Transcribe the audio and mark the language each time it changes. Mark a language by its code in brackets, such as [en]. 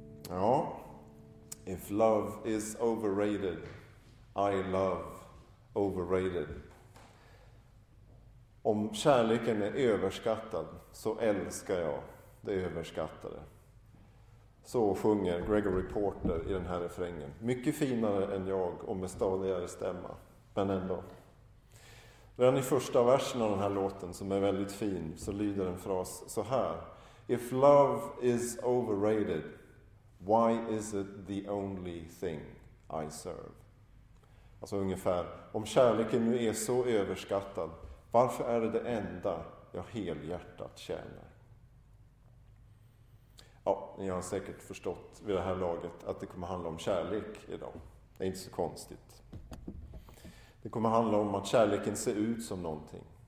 [en] Oh, if love is overrated, I love overrated. [sv] Om kärleken är överskattad, så älskar jag det överskattade. Så sjunger Gregory Porter i den här refrängen. Mycket finare än jag och med stadigare stämma, men ändå. Redan i första versen av den här låten, som är väldigt fin, så lyder en fras så här. [en] If love is overrated, why is it the only thing I serve? [sv] Alltså ungefär, om kärleken nu är så överskattad, varför är det enda jag helhjärtat tjänar? Ja, ni har säkert förstått vid det här laget att det kommer handla om kärlek idag. Det är inte så konstigt. Det kommer handla om att kärleken ser ut som någonting.